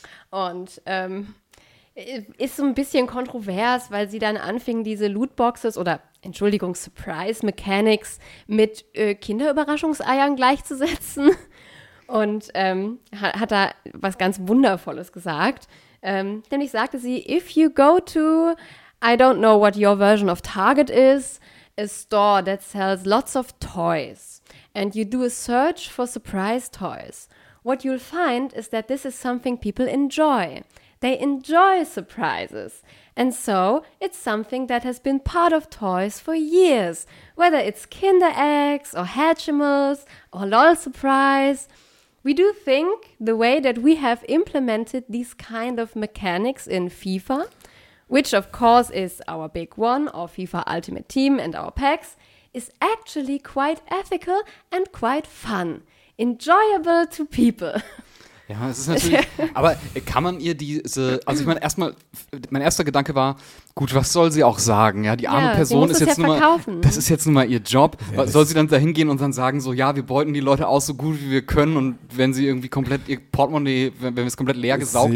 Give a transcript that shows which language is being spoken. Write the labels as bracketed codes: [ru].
[de] Und ist so ein bisschen kontrovers, weil sie dann anfingen, diese Lootboxes oder, Entschuldigung, Surprise Mechanics mit Kinderüberraschungseiern gleichzusetzen. Und hat da was ganz Wundervolles gesagt. Nämlich sagte sie, [en] if you go to, I don't know what your version of Target is, a store that sells lots of toys, and you do a search for surprise toys, what you'll find is that this is something people enjoy. They enjoy surprises. And so it's something that has been part of toys for years, whether it's Kinder Eggs or Hatchimals or LOL Surprise. We do think the way that we have implemented these kind of mechanics in FIFA, which of course is our big one, our FIFA Ultimate Team and our packs, is actually quite ethical and quite fun, enjoyable to people. [de] Ja, es ist natürlich, aber kann man ihr diese, also ich meine, erstmal, mein erster Gedanke war, gut, was soll sie auch sagen, ja, die arme Person ist jetzt ja nur mal, verkaufen. Das ist jetzt nur mal ihr Job, ja, soll sie dann da hingehen und dann sagen so, ja, wir beuten die Leute aus so gut, wie wir können, und wenn sie irgendwie komplett ihr Portemonnaie, wenn wir es komplett leer gesaugt haben.